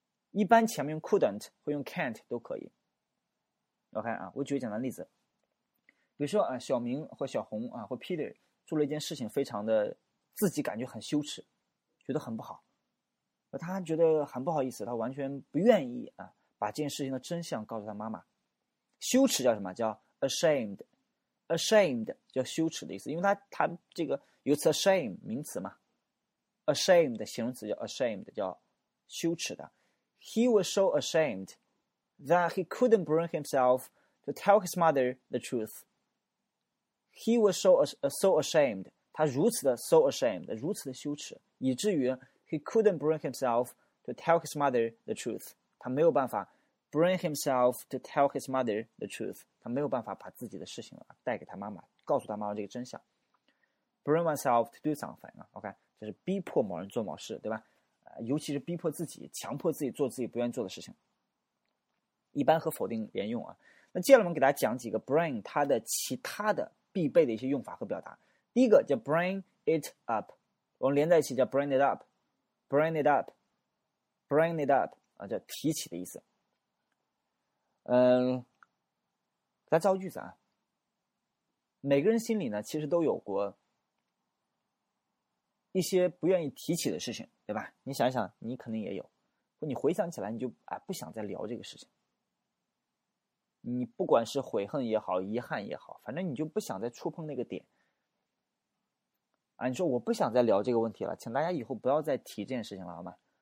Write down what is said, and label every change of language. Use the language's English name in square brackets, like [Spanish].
[Chinese] 一般前面用 couldn't 或用 can't 都可以。OK 啊，我举个简单例子，比如说啊，小明或小红啊或 Peter 做了一件事情，非常的自己感觉很羞耻，觉得很不好，他觉得很不好意思，他完全不愿意啊把这件事情的真相告诉他妈妈。羞耻叫什么？叫 ashamed。 ashamed 叫羞耻的意思，因为他这个有词 shame 名词嘛。 ashamed 形容词叫 ashamed 叫羞耻的。 [English] He was so ashamed that he couldn't bring himself to tell his mother the truth. He was so ashamed, [Chinese] 他如此的 [English] so ashamed, [Chinese] 如此的羞耻，以至于 [English] he couldn't bring himself to tell his mother the truth. [Chinese] 他没有办法 [English] bring himself to tell his mother the truth. [Chinese] 他没有办法把自己的事情带给他妈妈，告诉他妈妈这个真相。 [English] Bring oneself to do something, OK? [Chinese] 就是逼迫某人做某事，对吧，尤其是逼迫自己，强迫自己做自己不愿意做的事情，一般和否定连用啊。那接下来我们给大家讲几个 bring 它的其他的必备的一些用法和表达。第一个叫 bring it up, 我们连在一起叫 bring it up, bring it up, bring it up, 啊，叫提起的意思。给大家造个句子啊，每个人心里呢其实都有过一些不愿意提起的事情，对吧，你想一想你肯定也有，你回想起来你就不想再聊这个事情，你不管是悔恨也好遗憾也好，反正你就不想再触碰那个点啊，你说我不想再聊这个问题了，请大家以后不要再提这件事情了，好吗